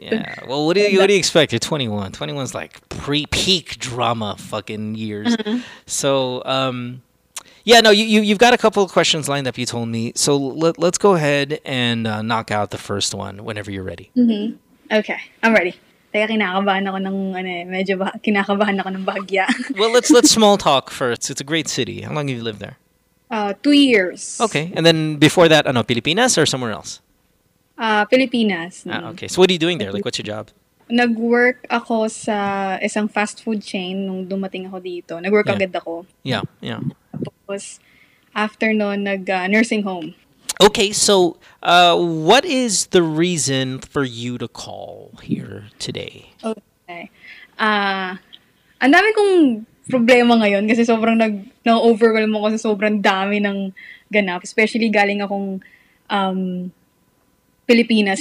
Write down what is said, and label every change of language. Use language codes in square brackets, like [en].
[en] Yeah. Well, what do you expect? You're 21. 21 is like pre-peak drama fucking years. So, yeah, no, you've got a couple of questions lined up, you told me. So let's go ahead and knock out the first one whenever you're ready. Mm-hmm. Okay, I'm ready. [tl] Kaya kinakabahan ako ng, medyo kinakabahan ako ng bahagya. [en] Well, let's small talk first. It's a great city. How long have you lived there? 2 years. Okay, and then before that, ano, Pilipinas or somewhere else? [tl] Pilipinas. [en] Okay, so what are you doing there? Like, what's your job? [tl] Nag-work ako sa isang fast food chain nung dumating ako dito. Nag-work agad ako. [en] Yeah, yeah. Was afternoon nursing home. Okay, so what is the reason for you to call here today? Okay. [tl] Ang dami kong problema ngayon kasi sobrang na-overwhelm ako sa sobrang dami ng ganap, especially galing akong Pilipinas.